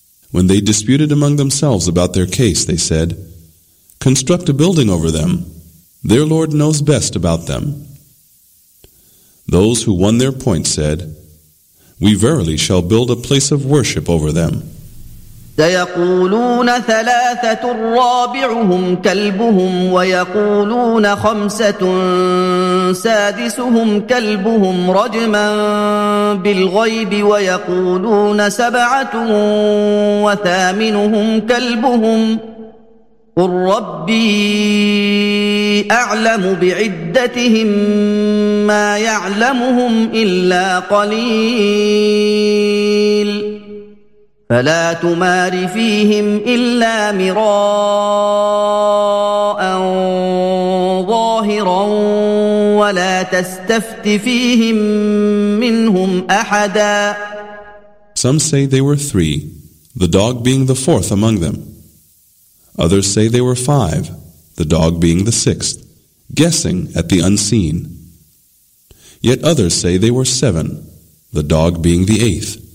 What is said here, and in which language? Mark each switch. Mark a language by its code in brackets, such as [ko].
[en] When they disputed among themselves about their case, they said, Construct a building over them. Their Lord knows best about them. Those who won their point said, We verily shall build a place of worship over them. [ar] سيقولون ثلاثة رابعهم كلبهم ويقولون خمسة سادسهم كلبهم رجما بالغيب ويقولون سبعة وثامنهم كلبهم قل ربي أعلم بعدتهم ما يعلمهم إلا قليل فلا تمار فيهم إلا مراء ظاهرا ولا تستفت فيهم منهم أحدا. [en] Some say they were three, the dog being the fourth among them. Others say they were five, the dog being the sixth, guessing at the unseen. Yet others say they were seven, the dog being the eighth.